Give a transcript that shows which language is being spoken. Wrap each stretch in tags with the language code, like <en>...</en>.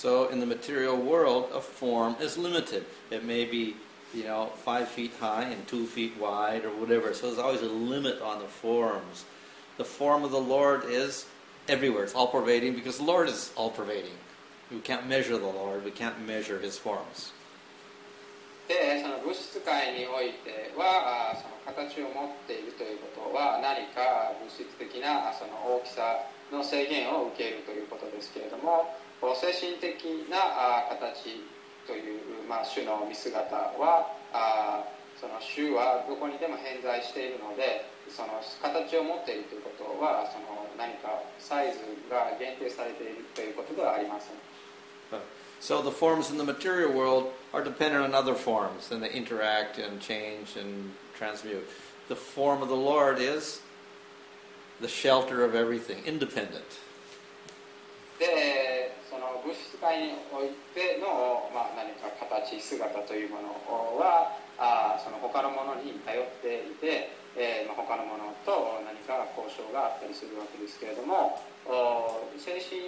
<en>So in the material world, a form is limited. It may be, 5 feet high and 2 feet wide or whatever. So there's always a limit on the forms. The form of the Lord is everywhere. It's all-pervading because the Lord is all-pervading. We can't measure the Lord. We can't measure His forms.</en> <ja>で、その物質界においては、その形を持っているということは、何か物質的なその大きさの制限を受けるということですけれども、精神的な形という、まあ、主の見姿は、その主はどこにでも偏在しているので、その形を持っているということは、その何かサイズが限定されているということではありません。</ja> <en>So the forms in the material world are dependent on other forms, and they interact and change and transmute. The form of the Lord is the shelter of everything, independent.</en> <ja>で、その物質界においての、まあ、何か形、姿というものは、その他のものに頼っていて、まあ、他のものと何か交渉があったりするわけですけれども、精神</ja>